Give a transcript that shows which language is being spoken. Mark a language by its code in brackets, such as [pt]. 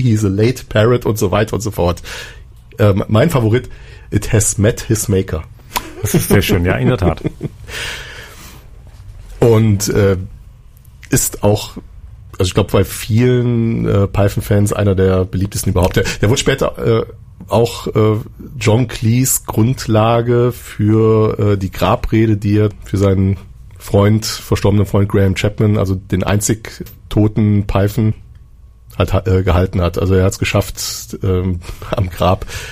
[en] He's a late parrot [de] und so weiter und so fort. Mein Favorit, [en] it has met his maker. [de] Das ist sehr schön, ja, in der Tat. Und ist auch, also ich glaube, bei vielen Python-Fans einer der beliebtesten überhaupt. Der wurde später auch John Cleese Grundlage für die Grabrede, die er für seinen verstorbenen Freund Graham Chapman, also den einzig toten Python, halt gehalten hat. Also er hat es geschafft, am Grab